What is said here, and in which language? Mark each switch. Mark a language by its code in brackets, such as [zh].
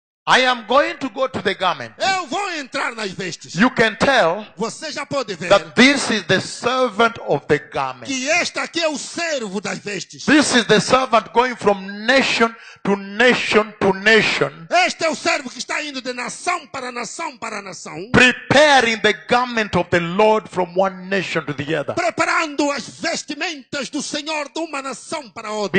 [en] I am going to go to the garment. [pt] Eu vou entrar nas vestes. [en] You can tell. [pt] Você já pode ver. [en] That this is the servant of the garment. [pt] Que este aqui é o servo das vestes. [en] This is the servant going from nation to nation to nation. [pt] Este é o servo que está indo de nação para nação para nação. [en] Preparing the garment of the Lord from one nation to the other. [pt] Preparando as vestimentas do Senhor de uma nação para outra.